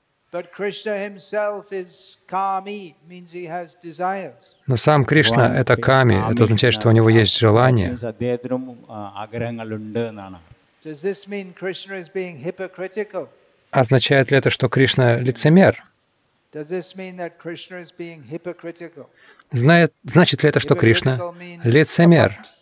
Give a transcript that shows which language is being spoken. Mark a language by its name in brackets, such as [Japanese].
[English] But Krishna himself is kami, means he has desires. [Russian] Но сам Кришна — это ками, это означает, что у него есть желания. [English] Does this mean Krishna is being hypocritical? [Russian] Означает ли это, что Кришна лицемер? [English] Does this mean that Krishna is being hypocritical? [Russian] Значит ли это, что Кришна лицемер?